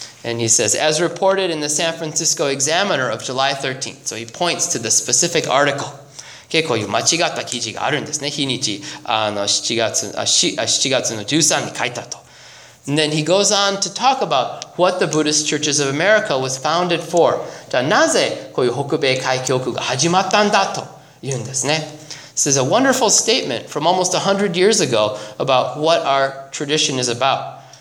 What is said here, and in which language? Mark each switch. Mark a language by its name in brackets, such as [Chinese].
[English] And he says, as reported in the San Francisco Examiner of July 13th. So he points to the specific article. [Japanese] 結構いう間違った記事があるんですね。日にち7月の13日に書いたと。 [English] And then he goes on to talk about what the Buddhist Churches of America was founded for. [Japanese] じゃあなぜこういう北米会教区が始まったんだと言うんですね。 [English] This is a wonderful statement from almost 100 years ago about what our tradition is about.